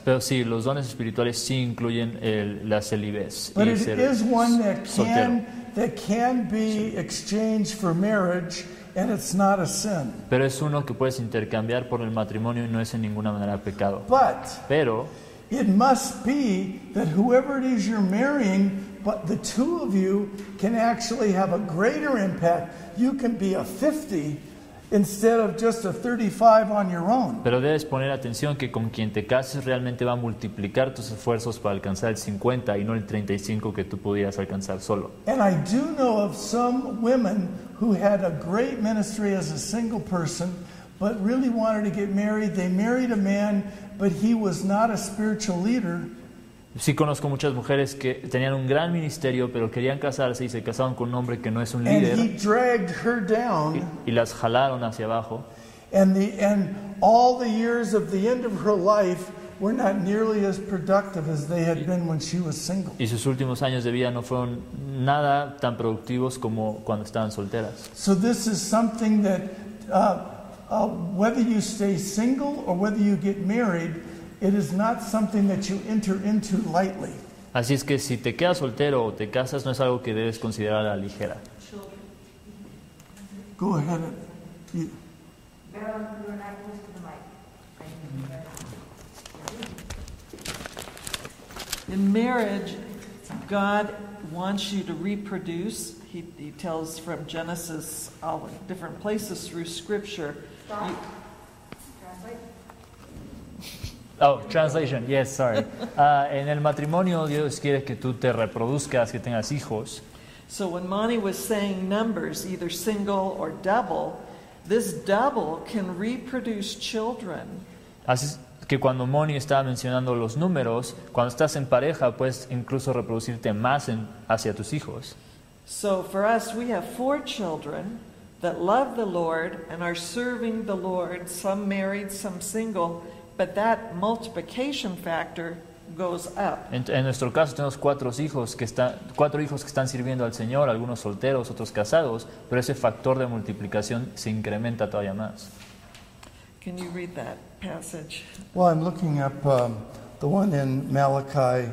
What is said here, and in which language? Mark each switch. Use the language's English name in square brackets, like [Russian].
[Spanish] Pero sí, los dones espirituales sí incluyen la celibidez. [English] But [Spanish] y [English] it is one that can be exchanged for marriage. And it's not a sin. [Spanish] Pero es uno que puedes intercambiar por el matrimonio y no es en ninguna manera pecado. [English] Pero it must be that whoever it is you're marrying, but the two of you can actually have a greater impact. You can be a 50 instead of just a 35 on your own. [Spanish] Pero debes poner atención que con quien te cases realmente va a multiplicar tus esfuerzos para alcanzar el 50 y no el 35 que tú pudieras alcanzar solo. [English] And I do know of some women who had a great ministry as a single person, but really wanted to get married. They married a man, but he was not a spiritual leader. [Spanish] Sí, conozco muchas mujeres que tenían un gran ministerio, pero querían casarse y se casaron con un hombre que no es un líder. [English] And he dragged her down. [Spanish] Y las jalaron hacia abajo. [English] And all the years of the end of her life were not nearly as productive as they had been when she was single. [Spanish] Y sus últimos años de vida no fueron nada tan productivos como cuando estaban solteras. [English] So this is something that whether you stay single or whether you get married, it is not something that you enter into lightly. [Spanish] Así es que si te quedas soltero o te casas, no es algo que debes considerar a la ligera. [English] Go ahead. You. In marriage, God wants you to reproduce. He tells from Genesis, all the different places through Scripture. Oh, translation. Yes, sorry. [Spanish] En el matrimonio, Dios quiere que tú te reproduzcas, que tengas hijos. [English] So when Moni was saying numbers, either single or double, this double can reproduce children. [Spanish] Así es que cuando Moni estaba mencionando los números, cuando estás en pareja, puedes incluso reproducirte más hacia tus hijos. [English] So for us, we have four children that love the Lord and are serving the Lord, some married, some single. But that multiplication factor goes up. [Spanish] En nuestro caso tenemos cuatro hijos que están sirviendo al Señor, algunos solteros, otros casados, pero ese factor de multiplicación se incrementa todavía más. [English] Can you read that passage? Well, I'm looking up the one in Malachi,